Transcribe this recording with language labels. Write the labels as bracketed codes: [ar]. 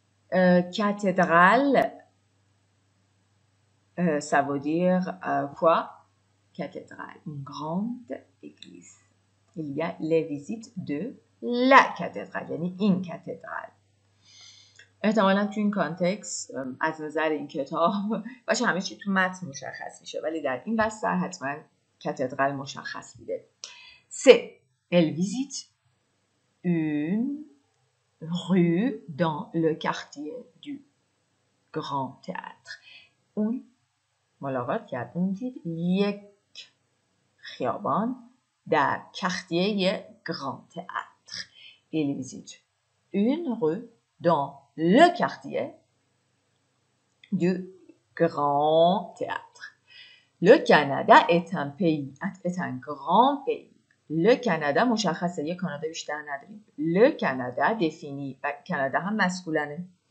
[fr] Cathédrale, ça veut dire quoi? Cathédrale, une grande église. Il y a les visites de la cathédrale, yani une cathédrale. [fa] احتمالاً تو این کانتکست از نظر این کتاب باشه همه چی تو متن مشخص میشه ولی در این بستر حتما کاتدرال مشخص میده. [fr] سه Elle visite une rue dans le quartier du Grand Théâtre. [fa] اون ملاقات کرد. اون دید یک خیابان در کارتیه Grand Théâtre. [fr] Elle visite une rue dans le quartier du Grand Théâtre. Le Canada est un pays, est un grand pays. Le Canada [fa] مشخصه یه کانادا بیشتر نداریم. Le Canada دفینی و کانادا هم مسکولنه.